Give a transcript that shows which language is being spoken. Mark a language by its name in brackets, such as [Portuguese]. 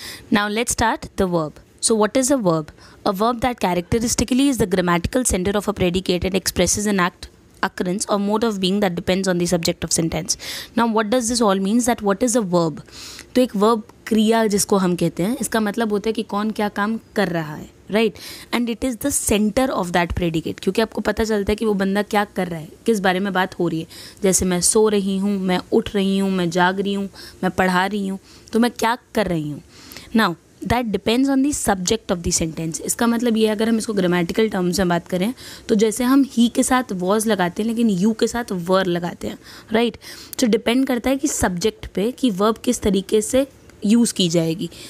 [English] Now let's start the verb. So what is a verb? A verb that characteristically is the grammatical center of a predicate and expresses an act, occurrence or mode of being that depends on the subject of sentence. Now what does this all means that what is a verb? [Hindi] तो एक verb क्रिया जिसको हम कहते हैं इसका मतलब होता है कि कौन क्या काम कर रहा है, right? [English] And it is the center of that predicate, [Hindi] क्योंकि आपको पता चलता है कि वो बंदा क्या कर रहा है, किस बारे में बात हो रही है. जैसे मैं सो रही हूँ, मैं उठ रही हूँ, मैं जाग रही हूँ, मैं पढ़ा रही हूँ, तो मैं क्या कर रही हूँ. [English] Now that depends on the subject of the sentence. [Hindi] इसका मतलब ये है अगर हम इसको grammatical terms में बात करें तो जैसे हम he के साथ was लगाते हैं लेकिन you के साथ were लगाते हैं, right? तो depend करता है कि subject पे कि verb किस तरीके से use की जाएगी.